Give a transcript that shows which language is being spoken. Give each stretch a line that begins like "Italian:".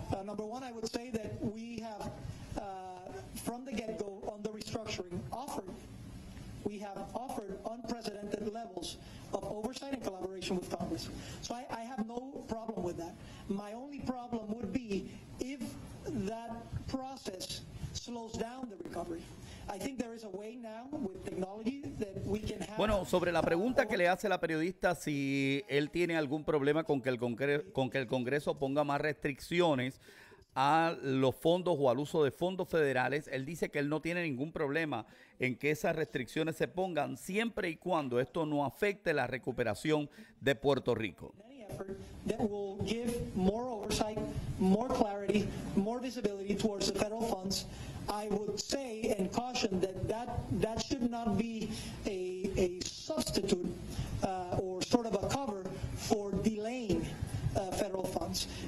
English: Number one, I would say that we have, from the get-go on the restructuring, offered unprecedented levels of oversight and collaboration with Congress. So I have no problem with that. My only problem would be if that process slows down the recovery. I think there is a way now with technology that we can have.
Spanish: Bueno, sobre la pregunta que le hace la periodista, si él tiene algún problema con que el Congreso ponga más restricciones a los fondos o al uso de fondos federales, él dice que él no tiene ningún problema en que esas restricciones se pongan siempre y cuando esto no afecte la recuperación de Puerto Rico.
English: That will give more oversight, more clarity, more visibility towards the federal funds. I would say and caution that should not be a substitute or sort of a cover for delaying federal funds.